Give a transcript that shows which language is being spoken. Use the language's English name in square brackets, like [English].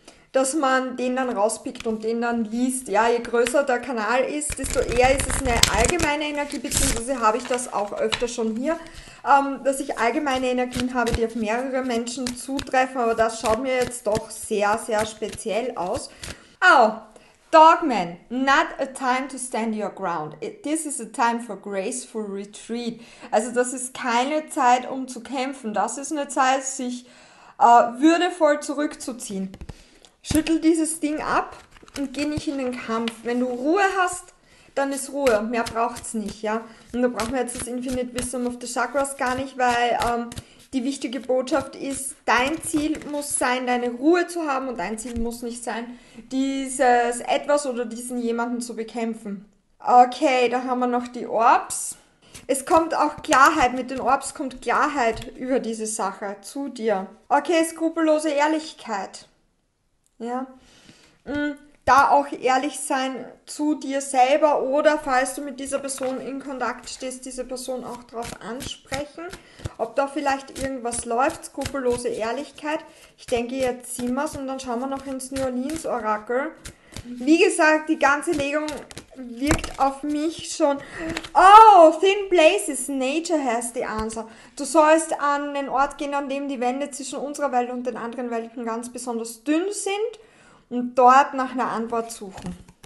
[German] Dass man den dann rauspickt und den dann liest. Ja, je größer der Kanal ist, desto eher ist es eine allgemeine Energie, beziehungsweise habe ich das auch öfter schon hier, dass ich allgemeine Energien habe, die auf mehrere Menschen zutreffen, aber das schaut mir jetzt doch sehr, sehr speziell aus. [English] Oh, Dogman, not a time to stand your ground. This is a time for graceful retreat. [German] Also das ist keine Zeit, um zu kämpfen. Das ist eine Zeit, sich würdevoll zurückzuziehen. Schüttel dieses Ding ab und geh nicht in den Kampf. Wenn du Ruhe hast, dann ist Ruhe. Mehr braucht's nicht, ja. Und da brauchen wir jetzt das Infinite Wisdom of the Chakras gar nicht, weil die wichtige Botschaft ist, dein Ziel muss sein, deine Ruhe zu haben und dein Ziel muss nicht sein, dieses Etwas oder diesen jemanden zu bekämpfen. Okay, da haben wir noch die Orbs. Es kommt auch Klarheit, mit den Orbs kommt Klarheit über diese Sache zu dir. Okay, skrupellose Ehrlichkeit. Ja, da auch ehrlich sein zu dir selber oder falls du mit dieser Person in Kontakt stehst, diese Person auch darauf ansprechen, ob da vielleicht irgendwas läuft, skrupellose Ehrlichkeit. Ich denke, jetzt sehen wir es und dann schauen wir noch ins New Orleans Orakel. Wie gesagt, die ganze Legung wirkt auf mich schon. [English] Oh, thin places, nature has the answer. [German] Du sollst an einen Ort gehen, an dem die Wände zwischen unserer Welt und den anderen Welten ganz besonders dünn sind und dort nach einer Antwort suchen.